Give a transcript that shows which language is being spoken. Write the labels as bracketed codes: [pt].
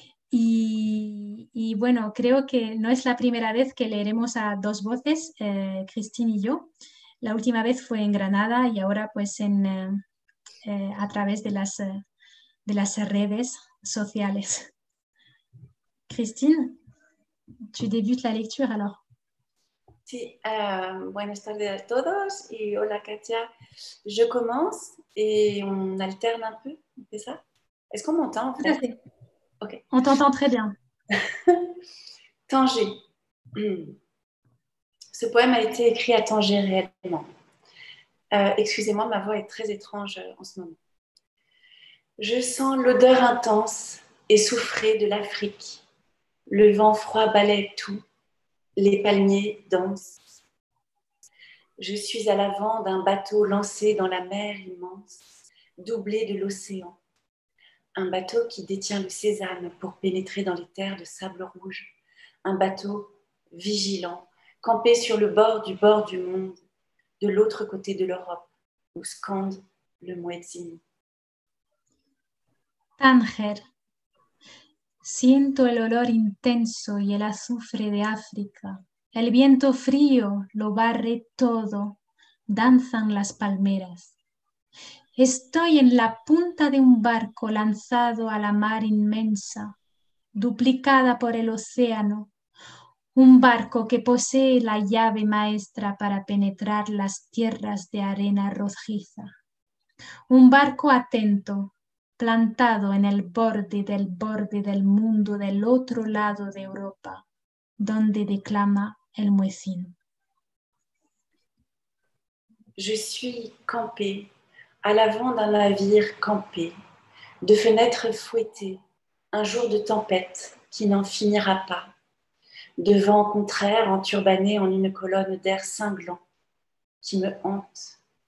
[es] Y bueno, creo que no es la primera vez que leeremos a dos voces, Christine y yo. La última vez fue en Granada y ahora pues a través de las redes sociales. [fr] Christine, tu débutes la lectura, alors. [es] Sí, buenas tardes a todos y hola Katia. [fr] Je commence et on alterne un peu, c'est ça? Est-ce qu'on m'entend en fait? Tout à fait. Ok. On t'entend très bien. Tanger. Ce poème a été écrit à Tanger réellement. Excusez-moi, ma voix est très étrange en ce moment. Je sens l'odeur intense et souffrée de l'Afrique. Le vent froid balaye tout. Les palmiers dansent. Je suis à l'avant d'un bateau lancé dans la mer immense, doublé de l'océan. Un bateau qui détient le sésame pour pénétrer dans les terres de sable rouge. Un bateau vigilant, campé sur le bord du monde, de l'autre côté de l'Europe, où scande le muezzin. [es] Tanger. Siento el olor intenso y el azufre de África. El viento frío lo barre todo. Danzan las palmeras. Estoy en la punta de un barco lanzado a la mar inmensa, duplicada por el océano. Un barco que posee la llave maestra para penetrar las tierras de arena rojiza. Un barco atento, plantado en el borde del mundo del otro lado de Europa, donde declama el muezzin. [fr] Je suis campé à l'avant d'un navire campé, de fenêtres fouettées, un jour de tempête qui n'en finira pas, de vent contraire enturbanné en une colonne d'air cinglant qui me hante.